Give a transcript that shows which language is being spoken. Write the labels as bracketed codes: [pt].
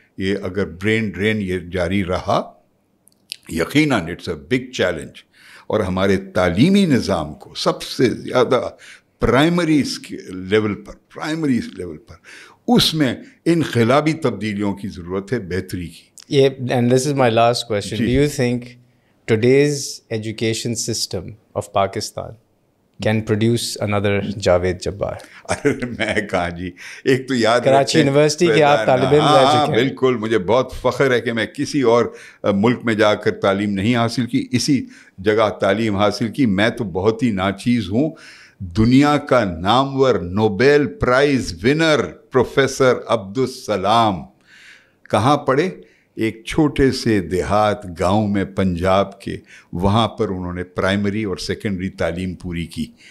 [ur] یہ اگر brain drain یہ جاری رہا یقیناً [en] It's a big challenge. [ur] اور ہمارے تعلیمی نظام کو سب سے زیادہ پرائمری لیول پر اس میں انقلابی تبدیلیوں کی ضرورت ہے, بہتری کی. [en] Yeah, and this is my last question. Do you think today's education system of Pakistan can produce another Javed Jabbar? [ur] میں کہاں جی, ایک تو یاد کراچی یونیورسٹی کے آپ طالب علم رہ چکے ہیں. بالکل, مجھے بہت فخر ہے کہ میں کسی اور ملک میں جا کر تعلیم نہیں حاصل کی, اسی جگہ تعلیم حاصل کی. میں تو بہت ہی ناچیز ہوں, دنیا کا نامور Nobel prize winner professor Abdul Salam کہاں پڑھے, ایک چھوٹے سے دیہات گاؤں میں پنجاب کے, وہاں پر انہوں نے پرائمری اور سیکنڈری تعلیم پوری کی.